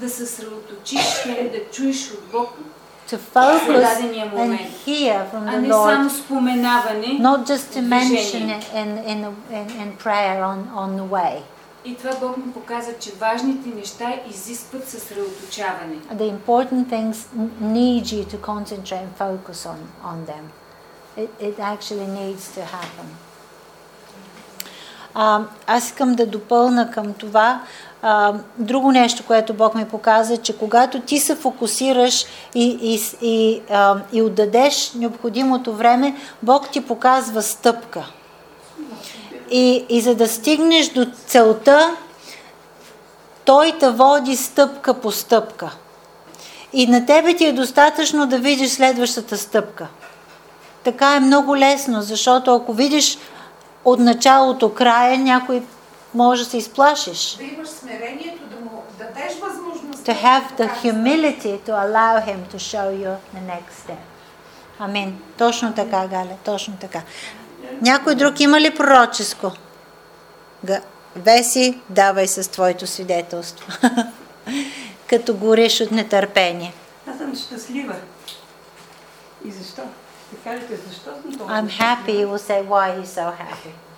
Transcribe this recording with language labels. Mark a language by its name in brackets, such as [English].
[English] To focus and hear from the Lord, not just to mention it in prayer on the way. The important things need you to concentrate and focus on them. It actually needs to happen. [Bulgarian] Аз искам да допълна към това друго нещо, което Бог ми показа, че когато ти се фокусираш и отдадеш необходимото време, Бог ти показва стъпка. И за да стигнеш до целта, Той те води стъпка по стъпка. И на тебе ти е достатъчно да видиш следващата стъпка. Така е много лесно, защото ако видиш от началото, края, някой може да се изплашиш. Да имаш смирението, да му дадеш възможност. [English] To have the humility to allow him to show you the next step. [Bulgarian] Амин. Точно така, Галя, точно така. Някой друг има ли пророческо? Веси, давай с твоето свидетелство. Като гореш от нетърпение. Аз съм щастлива. И защо? [English] I'm happy, you will say, why are you so happy?